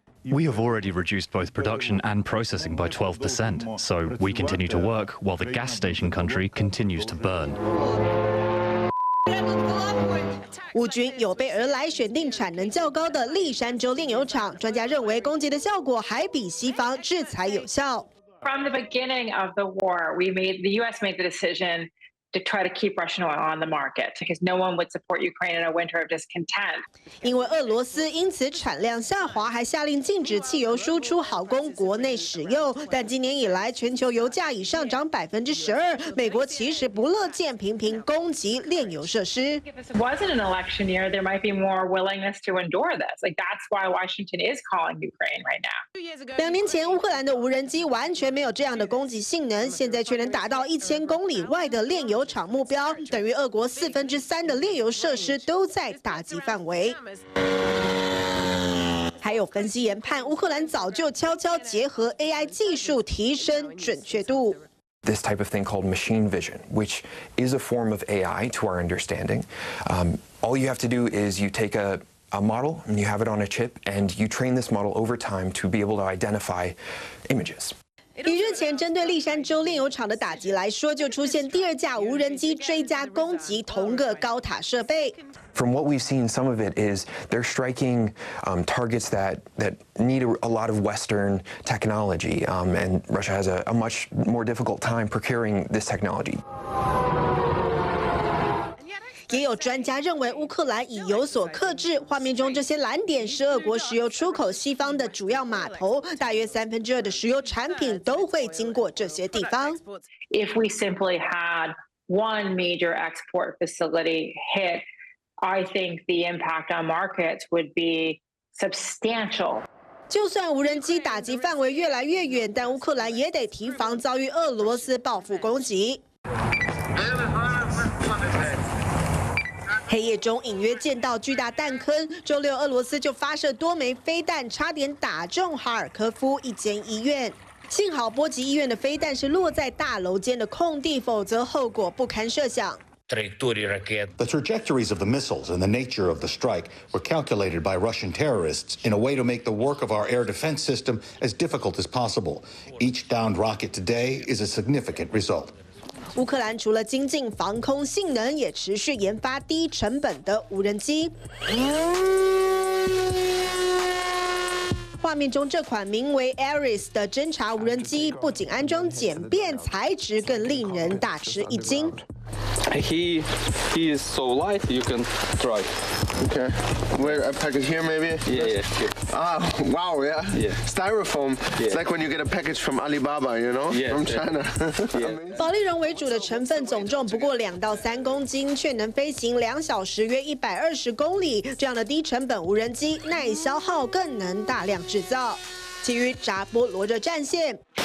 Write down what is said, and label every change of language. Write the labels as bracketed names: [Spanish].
[English] We have already reduced both production and processing by 12%, so we continue to work while the gas station country continues to burn. [Chinese] 乌军有备而来，选定产能较高的利山州炼油厂。专家认为，攻击的效果还比西方制裁有效。 [English] From the beginning of the war, the U.S. made the decision. To try to keep Russian oil on the market, because no one would support Ukraine in a winter of discontent. [Chinese] 因为俄罗斯因此产量下滑，还下令禁止汽油输出，好供国内使用。但今年以来，全球油价已上涨12%。美国其实不乐见频频攻击炼油设施。 [English] If this wasn't an election year, there might be more willingness to endure this. Like that's why Washington is calling Ukraine right now. [Chinese] 两年前，乌克兰的无人机完全没有这样的攻击性能，现在却能达到1000公里外的炼油。油厂目标等于俄国3/4的炼油设施都在打击范围。还有分析研判，乌克兰早就悄悄结合 AI 技术提升准确度。 [English] This type of thing called machine vision, which is a form of AI to our understanding. All you have to do is you take a model and you have it on a chip and you train this model over time to be able to identify images. [Chinese] 以日前针对利山州炼油厂的打击来说，就出现第二架无人机追加攻击同个高塔设备。 [English] From what we've seen, some of it is they're striking targets that need a lot of Western technology, and Russia has a much more difficult time procuring this technology. [Chinese] 也有专家认为乌克兰已有所克制。画面中这些蓝点是俄国石油出口西方的主要码头，大约2/3的石油产品都会经过这些地方。 [English] If we simply had one major export facility hit, I think the impact on markets would be substantial. [Chinese] 就算无人机打击范围越来越远，但乌克兰也得提防遭遇俄罗斯报复攻击。黑夜中隐约见到巨大弹坑，周六俄罗斯就发射多枚飞弹，差点打中哈尔科夫一间医院。幸好波及医院的飞弹是落在大楼间的空地，否则后果不堪设想。 [English] The trajectories of the missiles and the nature of the strike were calculated by Russian terrorists in a way to make the work of our air defense system as difficult as possible. Each downed rocket today is a significant result. [Chinese] 乌克兰除了精进防空性能，也持续研发低成本的无人机。画面中这款名为 Ares 的侦察无人机不仅安装简便，材质更令人大吃一惊。 [English] He is so light you can drive. Okay, where a package here maybe? Yeah. Ah, wow, yeah. Yeah. Styrofoam. Yeah. It's like when you get a package from Alibaba, you know? Yeah. From China. Yeah. [Chinese] 保丽绒为主的成分总重不过2到3公斤，却能飞行2小时约120公里。这样的低成本无人机耐消耗，更能大量制造。基于扎波罗热战线。